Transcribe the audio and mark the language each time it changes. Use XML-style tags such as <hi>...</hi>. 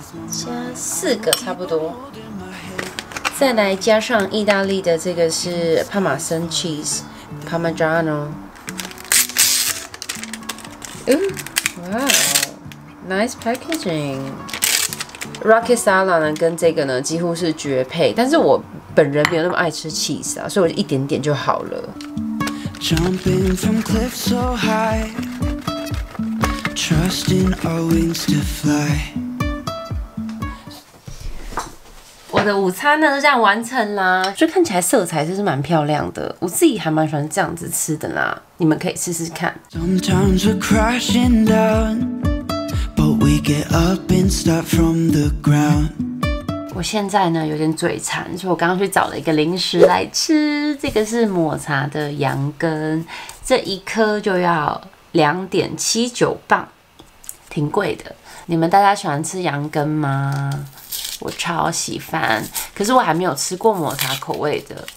<zh>加4个差不多，再来加上意大利的这个是帕玛森 cheese parmigiano。</zh> <en>哇 ，nice packaging。</en> <zh>Rocket salad 呢，跟这个呢几乎是绝配，但是我本人没有那么爱吃 cheese 啊，所以我就一点点就好了。</zh> <en>Jumping from cliffs so high, trusting our wings to fly.</en> <zh>我的午餐呢就这样完成啦，所以看起来色彩就是蛮漂亮的，我自己还蛮喜欢这样子吃的啦，你们可以试试看。</zh> <en>Sometimes we're crashing down, but we get up and start from the ground.</en> <zh>我现在呢有点嘴馋，所以我刚刚去找了一个零食来吃。这个是抹茶的羊羹，这一颗就要2.79磅，挺贵的。你们大家喜欢吃羊羹吗？我超喜欢，可是我还没有吃过抹茶口味的。</zh>